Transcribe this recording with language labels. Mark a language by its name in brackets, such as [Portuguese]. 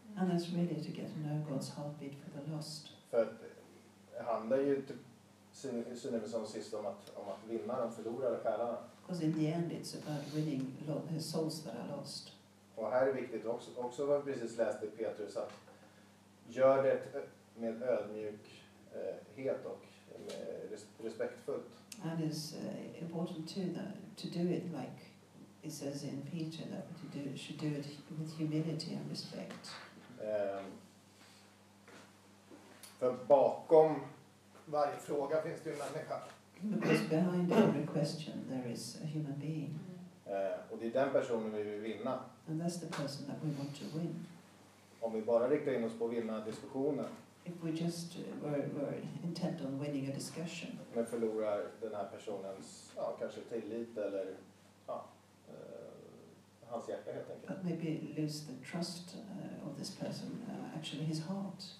[English] And it's really to get to know God's heartbeat for the lost. [Swedish] För det handlar ju inte synnerligen som sist om att vinna de förlorade själarna. [English] Because in the end it's about winning the souls that are lost. [Swedish] Och här är viktigt också vad vi precis läste Petrus att gör det med ödmjukhet och respektfullt. [English] And it's important too that to do it like it says in Peter that you should do it with humility and respect. [Swedish] För bakom varje fråga finns det ju en människa. [English] Because behind every question there is a human being. [Swedish] Och det är den personen vi vill vinna. [English] And that's the person that we want to win. [Swedish] Om vi bara riktar in oss på att vinna diskussionen. [English] if we just were intent on winning a discussion. [Swedish] Men förlorar den här personens, ja, kanske tillit eller ja, hans hjärta helt enkelt. [English] But maybe lose the trust of this person, actually his heart.